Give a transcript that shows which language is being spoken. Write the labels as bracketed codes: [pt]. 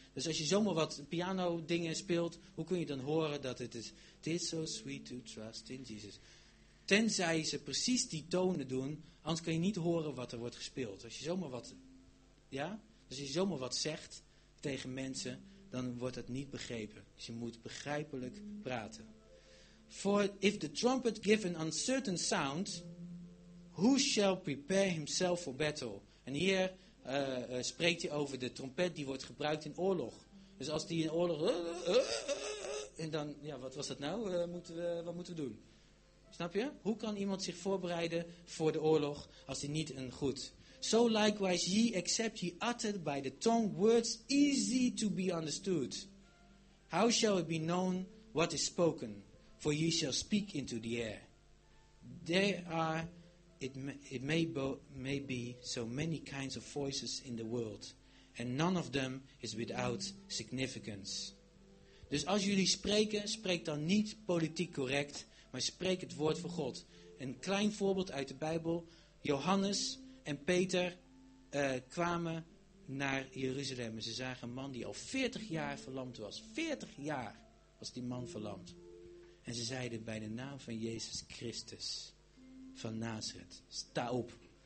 [nl] Dus als je zomaar wat piano dingen speelt, hoe kun je dan horen dat het is, [en] it is so sweet to trust in Jesus. [nl] Tenzij ze precies die tonen doen, anders kun je niet horen wat er wordt gespeeld. Als je zomaar wat, ja? Als je zomaar wat zegt tegen mensen, dan wordt dat niet begrepen. Dus je moet begrijpelijk praten. [en] For if the trumpet give an uncertain sound, who shall prepare himself for battle? [nl] En hier spreekt hij over de trompet die wordt gebruikt in oorlog. Dus als die in oorlog, en dan, ja, wat was dat nou? Wat moeten we doen? Snap je? Hoe kan iemand zich voorbereiden voor de oorlog als hij niet een goed [en] So likewise ye except ye uttered by the tongue words easy to be understood. How shall it be known what is spoken? For ye shall speak into the air. There are, it may be, so many kinds of voices in the world, and none of them is without significance. [nl] Dus als jullie spreken, spreek dan niet politiek correct, maar spreek het woord van God. Een klein voorbeeld uit de Bijbel. Johannes en Peter kwamen naar Jeruzalem en ze zagen een man die al 40 jaar verlamd was. 40 jaar was die man verlamd. En ze zeiden bij de naam van Jezus Christus van Nazareth, sta op.